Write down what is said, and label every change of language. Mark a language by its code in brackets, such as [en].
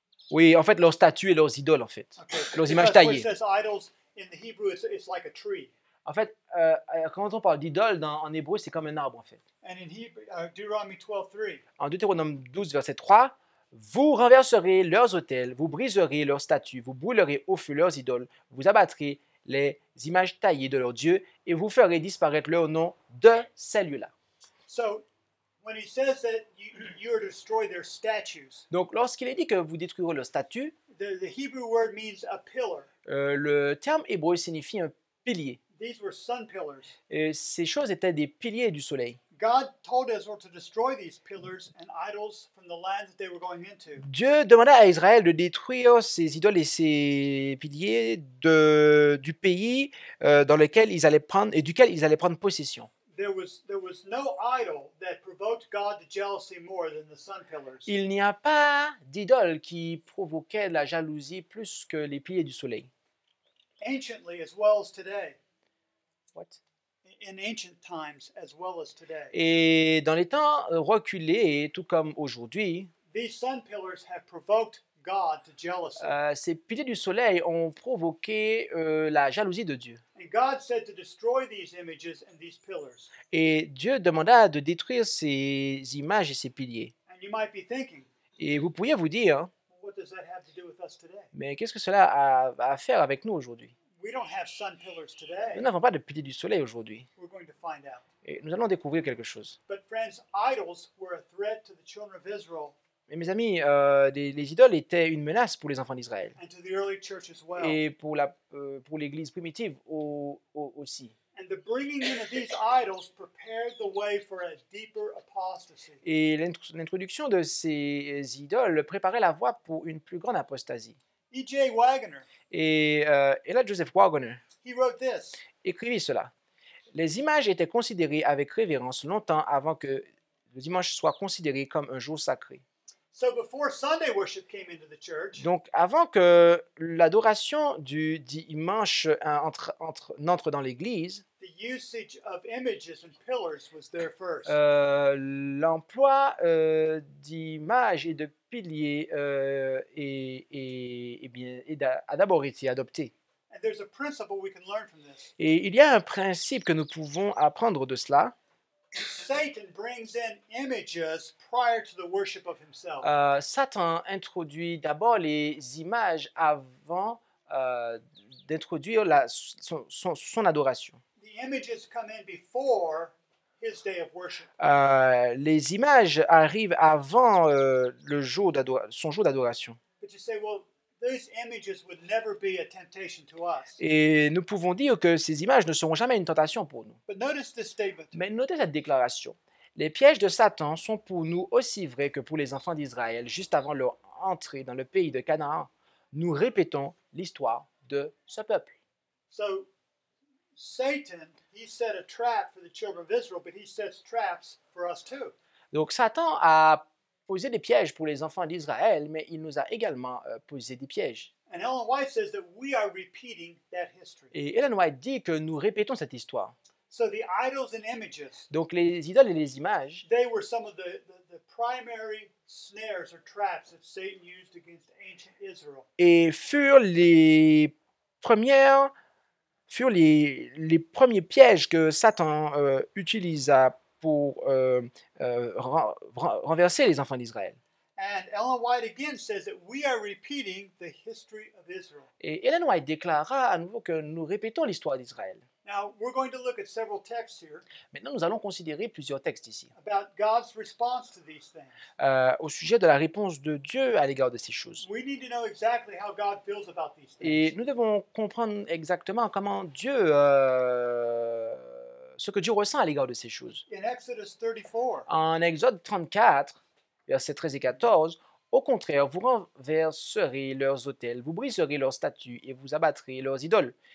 [fr] Oui, en fait, leurs statues et leurs idoles, en fait. [en] Okay. [fr] Leurs images taillées. [en] Because what it says idols in the Hebrew, it's like a tree. [fr] En fait, quand on parle d'idole en hébreu, c'est comme un arbre, en fait. [en] And in Deuteronomy 12, 3. [fr] En Deutéronome 12, verset 3, vous renverserez leurs autels, vous briserez leurs statues, vous brûlerez au feu leurs idoles, vous abattrez les images taillées de leurs dieux et vous ferez disparaître leur nom de ces lieux-là. [en] So, when he says that you are to destroy their statues. [fr] Donc, lorsqu'il est dit que vous détruirez leurs statues, [en] the Hebrew word means a pillar. [fr] Le terme hébreu signifie un pilier. [en] These were sun pillars. [fr] Et ces choses étaient des piliers du soleil. [en] God told Israel to destroy these pillars and idols from the land that they were going into. [fr] Dieu demanda à Israël de détruire ces idoles et ces piliers du pays dans lequel ils allaient prendre et duquel ils allaient prendre possession. [en] There was no idol that provoked God to jealousy more than the sun pillars. [fr] Il n'y a pas d'idole qui provoquait la jalousie plus que les piliers du soleil. [en] Anciently as well as today. What? In ancient times as well as today. [fr] Et dans les temps reculés, tout comme aujourd'hui, [en] these sun pillars have provoked God to jealousy. [fr] Ces piliers du soleil ont provoqué la jalousie de Dieu. [en] And God said to destroy these images and these pillars. [fr] Et Dieu demanda de détruire ces images et ces piliers. [en] And you might be thinking, [fr] et vous pourriez vous dire, [en] well, what does that have to do with us today? [fr] Mais qu'est-ce que cela a à faire avec nous aujourd'hui? [en] We don't have sun pillars today. [fr] Nous n'avons pas de piliers du soleil aujourd'hui. [en] We're going to find out. [fr] Et nous allons découvrir quelque chose. [en] But friends, idols were a threat to the children of Israel. [fr] Mais mes amis, les idoles étaient une menace pour les enfants d'Israël. [en] And to the early church as well. [fr] Et pour l'église primitive aussi. [en] And the bringing in of these idols prepared the way for a deeper apostasy. [fr] Et l'introduction de ces idoles préparait la voie pour une plus grande apostasie. [en] E.J. Wagoner. [fr] Et là, Joseph Wagoner [en] he wrote this. [fr] Écrivit cela. Les images étaient considérées avec révérence longtemps avant que le dimanche soit considéré comme un jour sacré. [en] So before Sunday worship came into the church, [fr] donc avant que l'adoration du dimanche n'entre dans l'église, [en] the usage of images and pillars was there first. [fr] L'emploi d'images et de piliers a d'abord été adopté. [en] And there's a principle we can learn from this. [fr] Et il y a un principe que nous pouvons apprendre de cela. [en] Satan brings in images prior to the worship of himself. [fr] Satan introduit d'abord les images avant d'introduire son adoration. [en] The images come in before his day of worship. [fr] Les images arrivent avant son jour d'adoration. [en] But you say, well, Those images would never be a temptation to us. [fr] Et nous pouvons dire que ces images ne seront jamais une tentation pour nous. [en] But notice this statement. [fr] Mais notez cette déclaration. Les pièges de Satan sont pour nous aussi vrais que pour les enfants d'Israël juste avant leur entrée dans le pays de Canaan. Nous répétons l'histoire de ce peuple. [en] So, Satan, he set a trap for the children of Israel, but he sets traps for us too. [fr] Donc Satan a posé des pièges pour les enfants d'Israël, mais il nous a également posé des pièges. [en] And Ellen White says that we are repeating that history. [fr] Et Ellen White dit que nous répétons cette histoire. [en] So the idols and images. [fr] Donc les idoles et les images. [en] They were some of the primary snares or traps that Satan used against ancient Israel. [fr] Et furent les premiers pièges que Satan utilisa pour renverser les enfants d'Israël. [en] And Ellen White again says that we are repeating the history of Israel. [fr] Et Ellen White déclara à nouveau que nous répétons l'histoire d'Israël. [en] Now we're going to look at several texts here. [fr] Maintenant, nous allons considérer plusieurs textes ici. [en] About God's response to these things. [fr] Au sujet de la réponse de Dieu à l'égard de ces choses. [en] We need to know exactly how God feels about these things. [fr] Et nous devons comprendre exactement comment Dieu ce que Dieu ressent à l'égard de ces choses. [en] In Exodus 34. [fr] En Exode 34, versets 13 et 14. Au contraire, vous renverserez leurs autels, vous briserez leurs statues et vous abattrez leurs idoles.